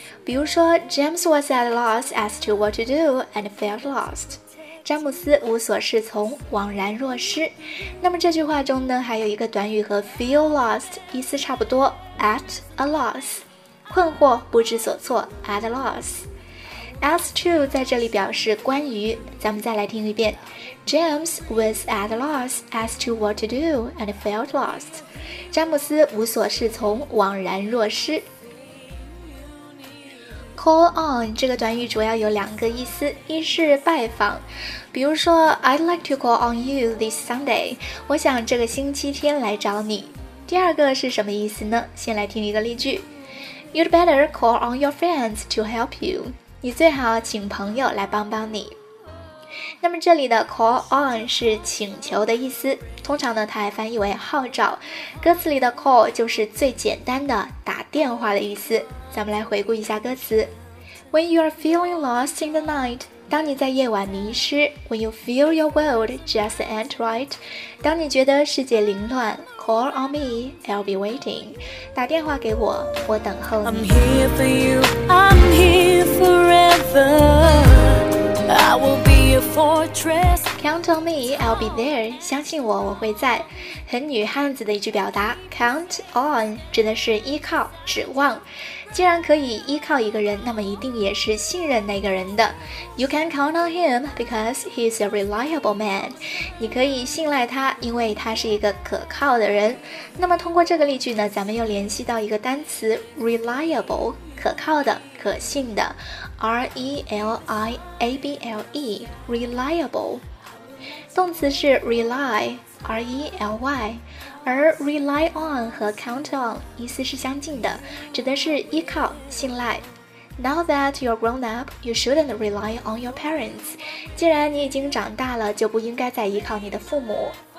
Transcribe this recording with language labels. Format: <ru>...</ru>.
<zh>比如说</zh> <en>James was at a loss as to what to do and felt lost.</en> <zh>詹姆斯无所适从，惘然若失。那么这句话中呢，还有一个短语和 feel lost 意思差不多， at a loss. 困惑不知所措 at a loss. As to 在这里表示关于，咱们再来听一遍。</zh> <en>James was at a loss as to what to do and felt lost.</en> <zh>詹姆斯无所适从，惘然若失。 Call on 这个短语主要有两个意思，一是拜访，比如说</zh> <en>I'd like to call on you this Sunday,</en> <zh>我想这个星期天来找你。第二个是什么意思呢？先来听一个例句。</zh> <en>You'd better call on your friends to help you.</en> <zh>你最好请朋友来帮帮你。那么这里的 call on 是请求的意思，通常呢它还翻译为号召。歌词里的 call 就是最简单的打电话的意思。咱们来回顾一下歌词。</zh> <en>When you are feeling lost in the night,</en> <zh>当你在夜晚迷失。</zh> <en>When you feel your world just ain't right,</en> <zh>当你觉得世界凌乱。</zh> <en>Call on me, I'll be waiting.</en> <zh>打电话给我，我等候你。</zh> <en>I'm here for you, I'm here forever. I will be your fortress. Count on me, I'll be there.</en> <zh>相信我，我会在。很女汉子的一句表达。 Count on 指的是依靠、指望。既然可以依靠一个人，那么一定也是信任那个人的。</zh> <en>You can count on him because he's a reliable man.</en> <zh>你可以信赖他，因为他是一个可靠的人。那么通过这个例句呢，咱们又联系到一个单词 reliable， 可靠的、可信的 ，reliable， reliable。动词是 rely，R-E-L-Y。而 rely on 和 count on 意思是相近的，指的是依靠、信赖。</zh> <en>Now that you're grown up, you shouldn't rely on your parents.</en> <zh>既然你已经长大了，就不应该再依靠你的父母。</zh>